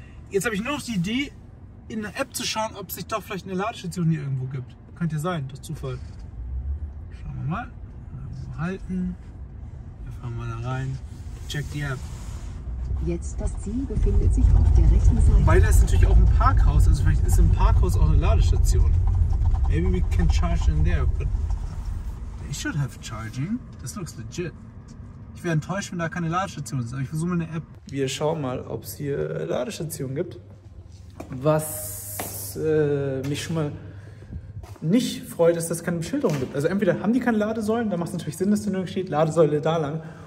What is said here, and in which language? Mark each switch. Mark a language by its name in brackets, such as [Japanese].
[German] Jetzt habe ich nur noch die Idee, in der App zu schauen, ob es sich doch vielleicht eine Ladestation hier irgendwo gibt. Könnte ja sein, das Zufall. Schauen wir mal. Halten. Wir fahren mal da rein. Check die App. Jetzt das Ziel befindet sich auf der rechten Seite. Weil da ist natürlich auch ein Parkhaus, also vielleicht ist im Parkhaus auch eine Ladestation. [English] Maybe we can charge in there, but they should have charging. [German] Das [English] looks legit. [German] Ich wäre enttäuscht, wenn da keine Ladestation ist, aber ich versuche mal eine App. Wir schauen mal, ob es hier Ladestationen gibt. Was mich schon mal nicht freut, ist, dass es keine Beschilderung gibt. Also entweder haben die keine Ladesäulen, da macht es natürlich Sinn, dass da nirgends steht, Ladesäule da lang.